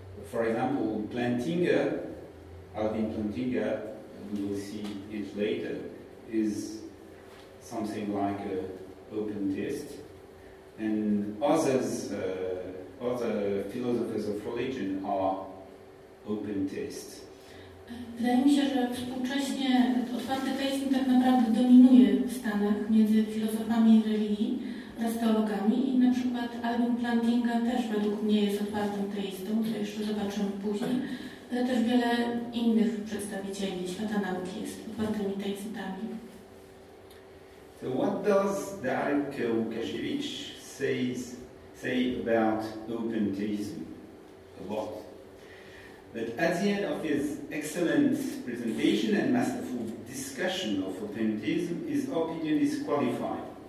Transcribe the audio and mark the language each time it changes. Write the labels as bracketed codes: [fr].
[en] for example, Plantinga, Alvin Plantinga, we will see it later, is something like an open theist. And others, other philosophers of religion are open theists. [pl] Wydaje mi się, że współcześnie otwarty teizm tak naprawdę dominuje w Stanach między filozofami religii oraz teologami i na przykład Alvin Plantinga też według mnie jest otwartym teistą, to jeszcze zobaczymy później, ale też wiele innych przedstawicieli świata nauki jest otwartymi teistami. [en] So what does Darek Łukasiewicz say about open theism? A lot. But at the end of his excellent presentation and masterful discussion of open theism, his opinion is qualified.